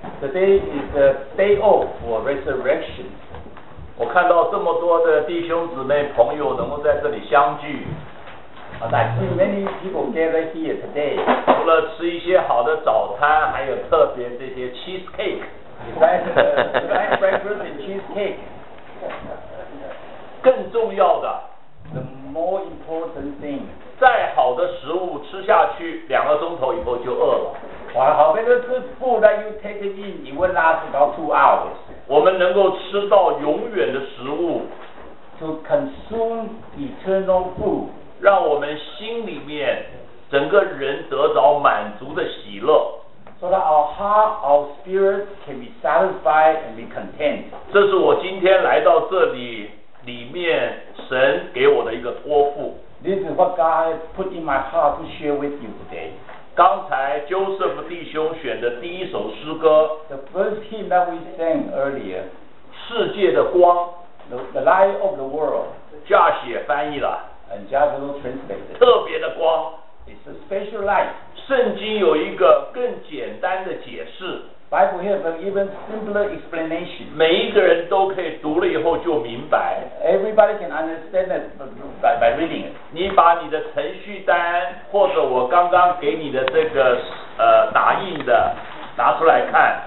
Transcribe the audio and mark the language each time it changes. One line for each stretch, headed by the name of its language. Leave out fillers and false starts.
English: Today is the day off for resurrection.
Chinese: 我看到这么多的弟兄姊妹朋友能够在这里相聚。
English: I see many people gather here today.
Chinese: 除了吃一些好的早餐，还有特别这些 cheesecake.
English: Breakfast and cheesecake.
Chinese: 更重要的。
English: The more important thing.
Chinese: 再好的食物吃下去，两个钟头以后就饿了。好比说是
English: food that you take it in, it will last about 2 hours.
Chinese: 我们能够吃到永远的食物。
English: To consume eternal food.
Chinese: 让我们心里面整个人得着满足的喜乐。
English: So that our heart, our spirit can be satisfied and be content.
Chinese: 这是我今天来到这里里面神给我的一个托付。
English: This is what God put in my heart to share with you today.
Chinese: 刚才 Joseph 弟兄选的第一首诗歌
English: The first hymn that we sang earlier
Chinese: 世界的光
English: The light of the world
Chinese: Josh 也翻译了
English: And Josh will translate it
Chinese: 特别的光
English: It's a special light
Chinese: 圣经有一个更简单的解释
English: Bible have an even simpler explanation.
Chinese: 每一个人都可以读了以后就明白。
English: Everybody can understand it by reading it.
Chinese: 你把你的程序单或者我刚刚给你的这个打印的拿出来看。